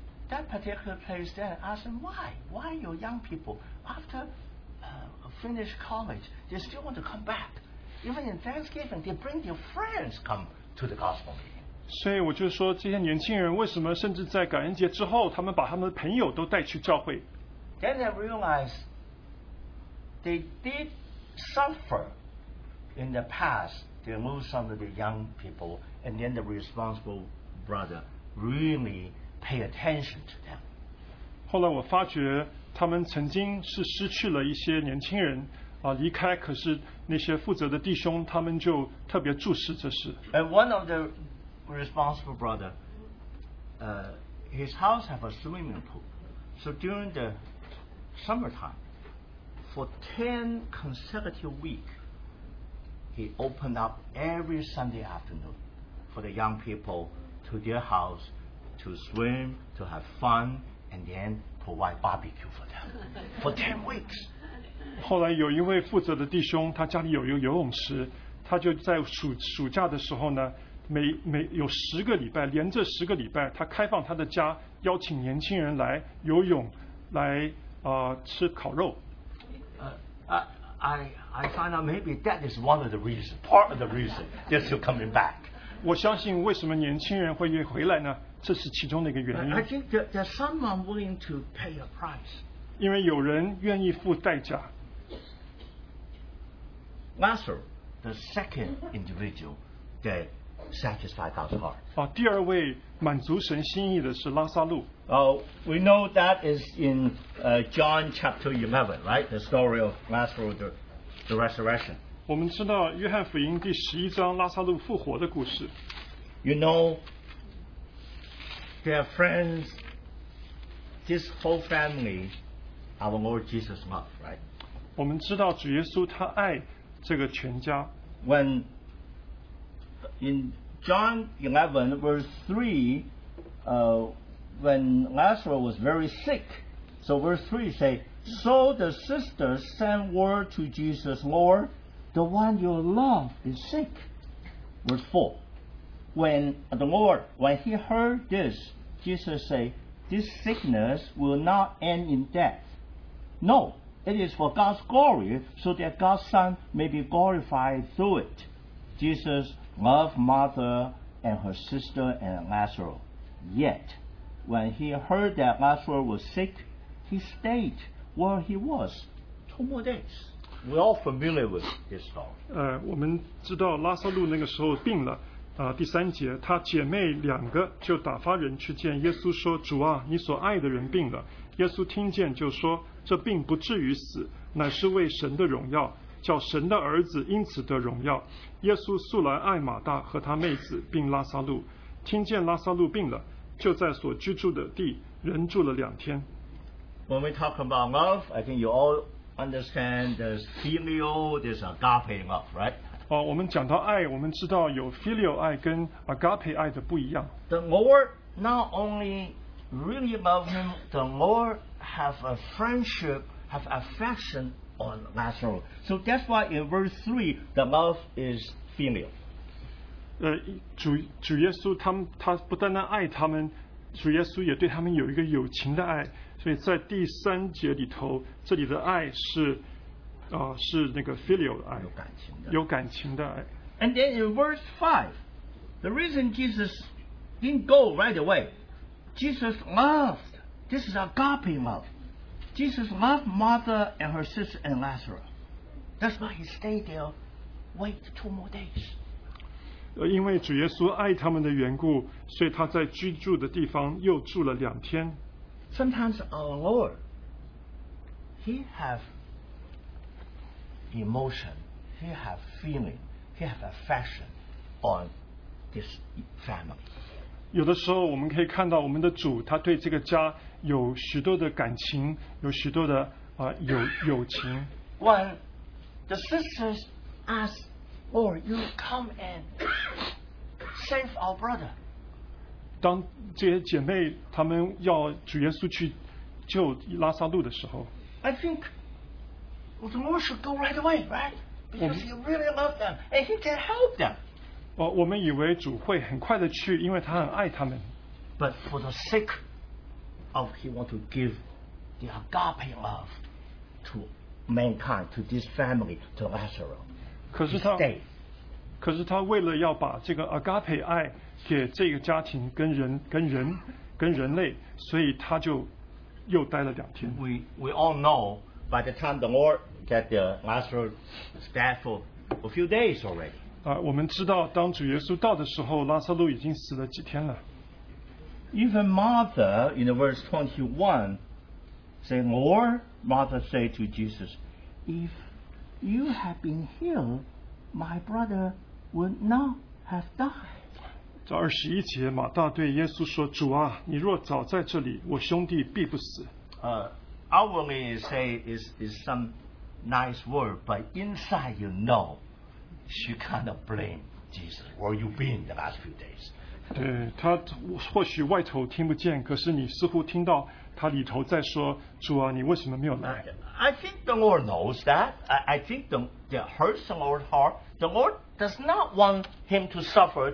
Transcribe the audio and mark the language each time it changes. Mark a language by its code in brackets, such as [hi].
[en] That particular place, then I asked them, why your young people after finish college, they still want to come back. Even in Thanksgiving, they bring their friends come to the gospel meeting. [zh] 所以我就说，这些年轻人为什么甚至在感恩节之后，他们把他们的朋友都带去教会？ [en] Then I realized they did suffer in the past. They lose some of the young people, and then the responsible brother really pay attention to them. [zh] 后来我发觉。他们曾经是失去了一些年轻人离开，可是那些负责的弟兄他们就特别注视这事。 [en] And one of the responsible brother, his house have a swimming pool. So during the summertime, for 10 consecutive weeks, he opened up every Sunday afternoon for the young people to their house to swim, to have fun, and then provide barbecue for them for 10 weeks. [zh] 后来有一位负责的弟兄，他家里有一个游泳池，他就在暑假的时候呢，每有十个礼拜，连着十个礼拜，他开放他的家，邀请年轻人来游泳，来吃烤肉。 [en] I find out maybe that is one of the reasons, part of the reason they're still coming back. [zh] 我相信为什么年轻人会回来呢？这是其中的一个原因。 [en] I think there's someone willing to pay a price. [zh] 因为有人愿意付代价。 [en] Lazarus, the second individual that satisfied God's heart. [zh] 第二位满足神心意的是拉撒路。 [en] We know that is in John chapter 11, right? The story of Lazarus, the resurrection. [zh] 我们知道约翰福音第十一章拉撒路复活的故事。 [en] You know,their friends, this whole family, our Lord Jesus loved, right? [zh] 我们知道主耶稣他爱这个全家。 [en] When in John 11 verse 3, when Lazarus was very sick, so verse 3 say, so the sisters sent word to Jesus, Lord, the one you love is sick. Verse 4, when he heard this,Jesus say, this sickness will not end in death. No, it is for God's glory, so that God's Son may be glorified through it. Jesus loved Martha and her sister and Lazarus. Yet, when he heard that Lazarus was sick, he stayed where he was 2 more days. We're all familiar with this story. [zh] 我们知道拉撒路那个时候病了，第三节，他姐妹两个就打发人去见耶稣说，主啊，你所爱的人病了。耶稣听见就说，这病不至于死，乃是为神的荣耀，叫神的儿子因此得荣耀。耶稣素来爱马大和他妹子并拉撒路，听见拉撒路病了，就在所居住的地人住了两天。 [en] When we talk about love, I think you all understand the filio, this agape love, right? [zh] 我们讲到爱，我们知道有 filio 爱跟 agape 爱的不一样。 [en] The Lord not only really love him, the Lord have a friendship, have affection on Lazarus. So that's why in verse 3, the love is filio. [zh] 主耶稣他不单单爱他们，主耶稣也对他们有一个友情的爱，所以在第三节里头，这里的爱是，是那个 filial 的爱，有感情的，有感情的爱。 [en] And then in verse 5, the reason Jesus didn't go right away, Jesus loved. This is agape love. Jesus loved Martha and her sister and Lazarus. That's why he stayed there, wait two more days. [zh] 因为主耶稣爱他们的缘故，所以他在居住的地方又住了两天。 [en] Sometimes our Lord, he have emotion, he have feeling, he have affection on this family. [zh] 有的时候我们可以看到我们的主，他对这个家有许多的感情，有许多的友情。 [en] When the sisters ask, Lord, you come and save our brother. [zh] 当这些姐妹她们要主耶稣去救拉撒路的时候 [en] I think the Lord should go right away, right? Because he really loved them and he can help them. [zh] 我们以为主会很快的去，因为他很爱他们。 [en] But for the sake of he want to give the agape love to mankind, to this family, to Lazarus, he stayed. [zh] 可是他为了要把这个 agape 爱给这个家庭跟人类，所以他就又待了两天。 [en] We all know by the time the Lord get the Lazarus dead for a few days already. [zh] 我们知道当主耶稣到的时候，拉撒路已经死了几天了。 [en] Even Martha in verse 21 say, Lord, Martha say to Jesus, if you had been healed, my brother would not have died. [zh] 在二十一节，马大对耶稣说：“主啊，你若早在这里，我兄弟必不死。” [en] Outwardly say is some nice word, but inside you know she kind of blame Jesus. Where you been the last few days? [zh] 对他或许外头听不见，可是你似乎听到他里头在说：“主啊，你为什么没有来？” [en] I think the Lord knows that. I think the hurts the Lord's heart. The Lord does not want him to suffer.